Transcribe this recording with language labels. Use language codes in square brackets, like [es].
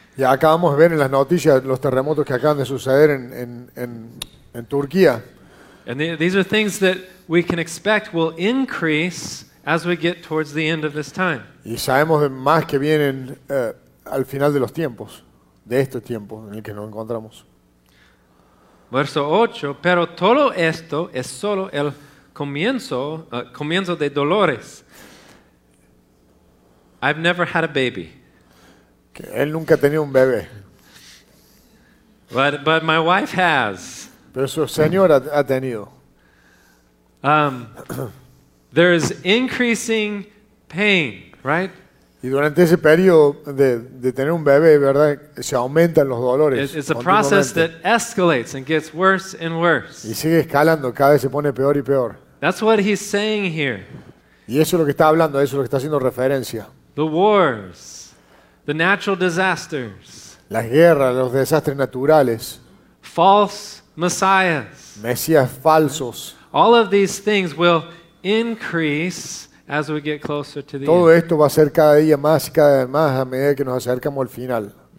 [es] Ya acabamos de ver en las noticias los terremotos que acaban de suceder en Turquía. [en] And these are things that we can expect will increase as we get towards the end of this time. [es] Y sabemos de más que vienen al final de los tiempos, de este tiempo en el que nos encontramos. Verso 8, pero todo esto es solo el comienzo de dolores. [en] I've never had a baby. [es] Que él nunca ha tenido un bebé. [en] But my wife has. [es] Pero su señora ha tenido. [en] There is increasing pain, right? [es] Y durante ese periodo de tener un bebé, ¿verdad? Se aumentan los dolores. [en] It's a process that escalates and gets worse and worse. [es] Y sigue escalando, cada vez se pone peor y peor. [en] That's what he's saying here. [es] Y eso es lo que está hablando, eso es lo que está haciendo referencia. [en] The wars, the natural disasters. [es] Las guerras, los desastres naturales. [en] False messiahs. [es] Mesías falsos. [en] All of these things will increase as we get closer to the end. [es] Todo esto va a ser cada día más a medida que nos acercamos al final.